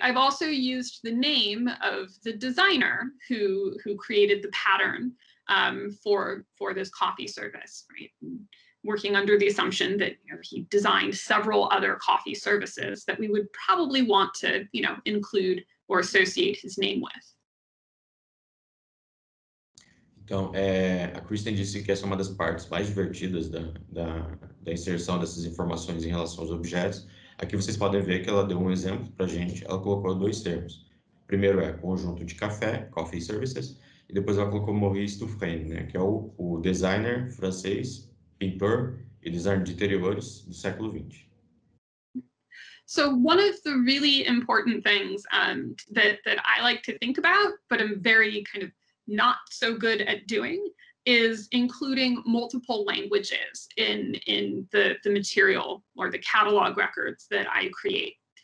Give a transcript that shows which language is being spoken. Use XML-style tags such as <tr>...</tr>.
<en>I've also used the name of the designer who created the pattern for this coffee service, right? And working under the assumption that, you know, he designed several other coffee services that we would probably want to, you know, include or associate his name with.</en> <pt>Então, a Kristen disse que essa é uma das partes mais divertidas da inserção dessas informações em relação aos objetos. Aqui vocês podem ver que ela deu um exemplo para a gente. Ela colocou dois termos. O primeiro é conjunto de café, coffee services, e depois ela colocou Maurice Dufresne, né, que é o designer francês, pintor e designer de interiores do século XX.</pt> <en>So one of the really important things that I like to think about, but I'm very kind of not so good at doing, is including multiple languages in the material or the catalog records that I create.</en>